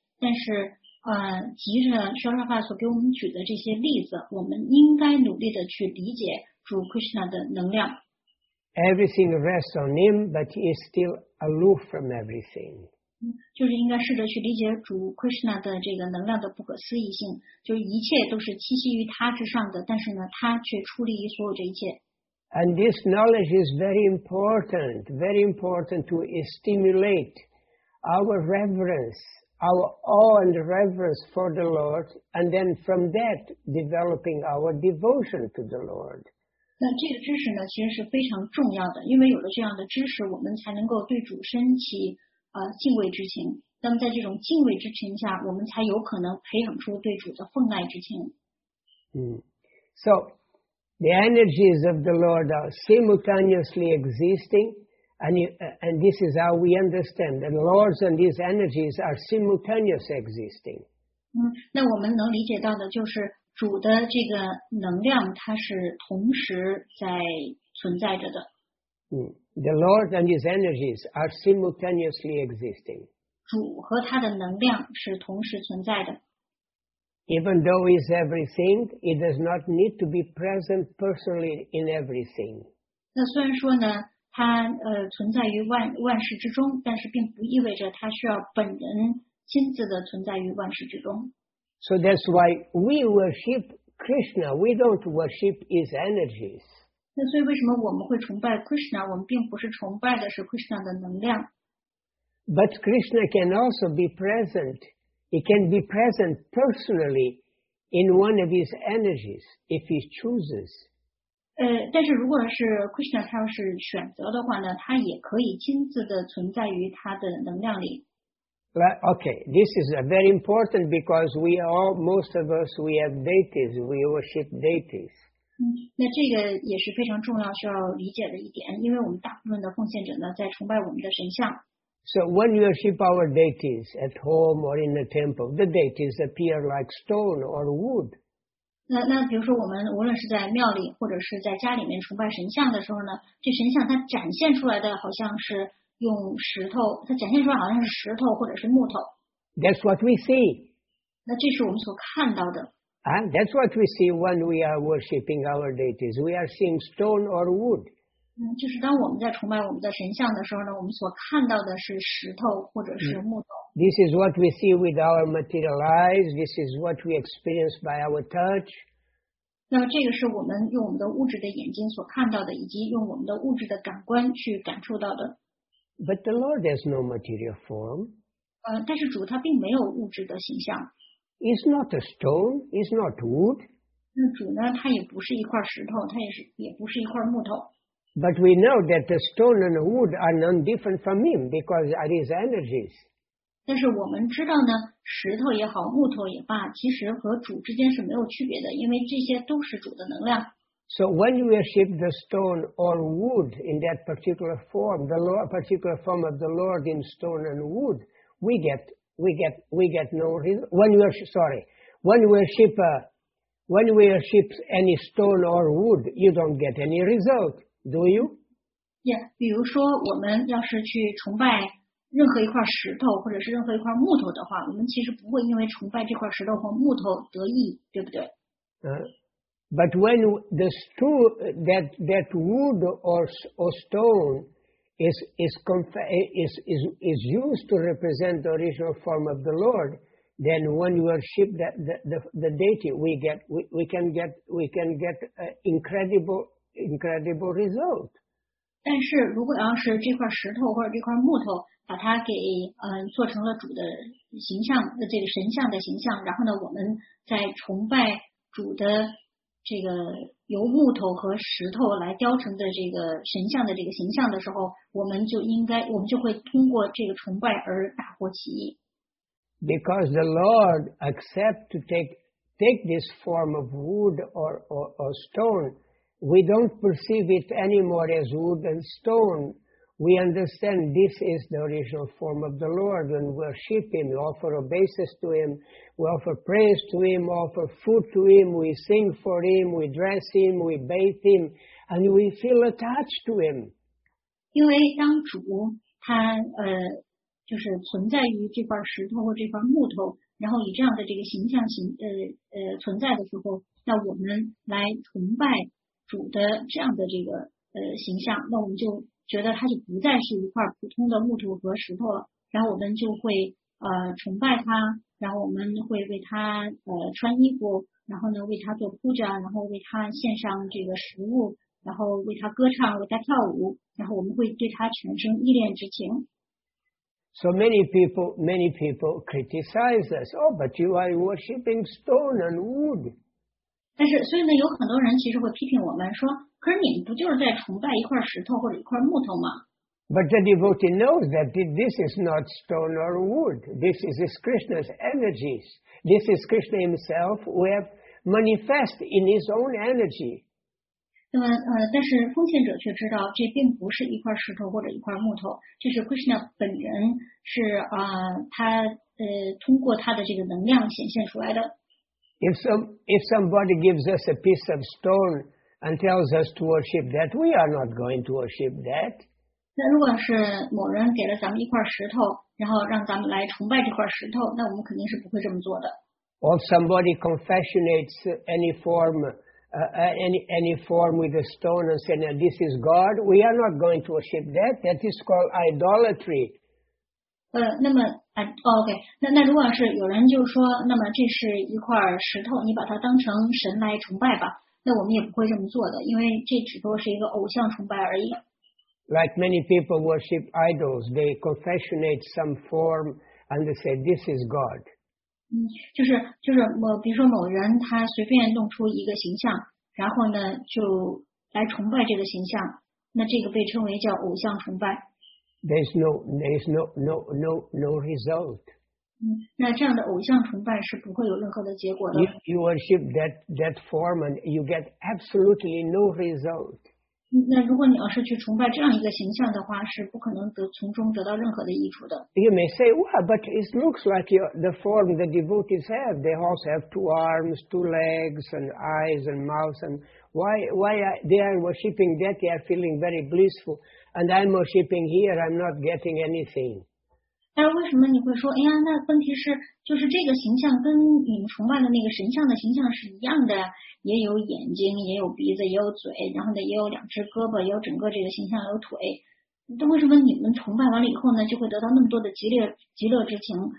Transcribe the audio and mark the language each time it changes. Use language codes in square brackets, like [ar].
[zh] 但是，急着沙沙发所给我们举的这些例子，我们应该努力的去理解主 Krishna 的能量。 [en] Everything rests on him, but he is still aloof from everything. [zh] 就是应该试着去理解主 Krishna 的这个能量的不可思议性，就是一切都是栖息于他之上的，但是呢，他却出离于所有这一切。 [en] And this knowledge is very important to stimulate our reverence. Our awe and reverence for the Lord, and then from that developing our devotion to the Lord. [zh] 那这个知识呢，其实是非常重要的，因为有了这样的知识，我们才能够对主升起敬畏之情。那么在这种敬畏之情下，我们才有可能培养出对主的奉爱之情。 [en] So the energies of the Lord are simultaneously existing. And this is how we understand that Lords and these energies are simultaneously existing. [zh] 那我们能理解到的就是主的这个能量它是同时在存在着的。 [en] The Lord and his energies are simultaneously existing. [zh] 主和他的能量是同时存在的。 [en] Even though he is everything, he does not need to be present personally in everything. [zh] 那虽然说呢它存在于万事之中，但是并不意味着它需要本人亲自的存在于万事之中。 [en] So that's why we worship Krishna. We don't worship his energies. [zh] 那所以为什么我们会崇拜 Krishna？ 我们并不是崇拜的是 Krishna 的能量。 [en] But Krishna can also be present. He can be present personally in one of his energies if he chooses. [zh] 但是如果是 Krishna 他要是选择的话呢，他也可以亲自的存在于他的能量里。 [en] Okay, this is very important because we all, most of us, we have deities, we worship deities. [zh] 那这个也是非常重要需要理解的一点，因为我们大部分的奉献者呢在崇拜我们的神像。 [en] So when you worship our deities at home or in the temple, the deities appear like stone or wood. [zh] 那比如说我们无论是在庙里或者是在家里面崇拜神像的时候呢，这神像它展现出来的好像是用石头，它展现出来好像是石头或者是木头。 [en] That's what we see. [zh] 那这是我们所看到的。 [en] That's what we see when we are worshipping our deities. We are seeing stone or wood. [zh] 就是当我们在崇拜我们的神像的时候呢，我们所看到的是石头或者是木头。 [en] This is what we see with our material eyes. This is what we experience by our touch. [zh] 那么这个是我们用我们的物质的眼睛所看到的，以及用我们的物质的感官去感受到的。 [en] But the Lord has no material form. [zh] 但是主他并没有物质的形象。 [en] He's not a stone. He's not wood. [zh] 那主呢？他也不是一块石头，他也不是一块木头。 [en] But we know that the stone and the wood are none different from him because of his energies. [zh] 但是我们知道呢，石头也好，木头也罢，其实和主之间是没有区别的，因为这些都是主的能量。 [en] So when you worship the stone or wood in that particular form, the Lord, particular form of the Lord in stone and wood, we get no reason. When you worship any stone or wood, you don't get any result, do you? [zh] Yeah, 比如说我们要是去崇拜任何一块石头或者是任何一块木头的话，我们其实不会因为崇拜这块石头或木头得益，对不对？ [en] But when the stone, that wood or stone is used to represent the original form of the Lord, then when you worship the deity, we can get incredible result. [zh] 但是如果要是这块石头或者这块木头把它给做成了主的形象，这个神像的形象，然后呢，我们在崇拜主的这个由木头和石头来雕成的这个神像的这个形象的时候，我们就会通过这个崇拜而大获其益。 [en] Because the Lord accepts to take this form of wood or stone, we don't perceive it anymore as wood and stone. We understand this is the original form of the Lord and worship Him, we offer obeisance to Him, we offer praise to Him, offer food to Him, we sing for Him, we dress Him, we bathe Him, and we feel attached to Him. [zh] 因为当主他就是存在于这块石头或这块木头，然后以这样的这个形象存在的时候，那我们来崇拜主的这样的这个形象，那我们就觉得它就不再是一块普通的木头和石头了，然后我们就会崇拜它，然后我们会为它穿衣服，然后呢为它做铺展，然后为它献上这个食物，然后为它歌唱，为它跳舞，然后我们会对它产生依恋之情。 [en] So many people criticize us. Oh, but you are worshipping stone and wood. [zh] 但是所以呢，有很多人其实会批评我们说，可是你们不就是在崇拜一块石头或者一块木头吗？ [en] But the devotee knows that this is not stone or wood. This is Krishna's energies. This is Krishna himself who have manifest in his own energy. [zh] 那么但是奉献者却知道这并不是一块石头或者一块木头，这是 Krishna 本人，是他通过他的这个能量显现出来的。 [en] If somebody gives us a piece of stone and tells us to worship that, we are not going to worship that. [zh] 那如果是某人给了咱们一块石头，然后让咱们来崇拜这块石头，那我们肯定是不会这么做的。 [en] Or somebody confessionates any form with a stone and saying that this is God, we are not going to worship that. That is called idolatry. [zh] 那如果是有人就说，那么这是一块石头，你把它当成神来崇拜吧，那我们也不会这么做的，因为这只不过是一个偶像崇拜而已。 [en] Like many people worship idols, they confessionate some form and they say this is God. [zh] 就是比如说某人他随便弄出一个形象，然后呢就来崇拜这个形象，那这个被称为叫偶像崇拜。 [en] There's no result. [zh] 那这样的偶像崇拜是不会有任何的结果的。 [en] You worship that form and you get absolutely no result. [zh] 那如果你要是去崇拜这样一个形象的话，是不可能从中得到任何的益处的。 [en] You may say, well, but it looks like the form the devotees have. They also have two arms, two legs, and eyes, and mouth, and why they are worshipping that, they are feeling very blissful. And I'm worshipping here, I'm not getting anything. [zh] 但为什么你会说，哎呀，那问题是，就是这个形象跟你们崇拜的那个神像的形象是一样的，也有眼睛，也有鼻子，也有嘴，然后呢，也有两只胳膊，也有整个这个形象，有腿。那为什么你们崇拜完了以后呢，就会得到那么多的极乐之情？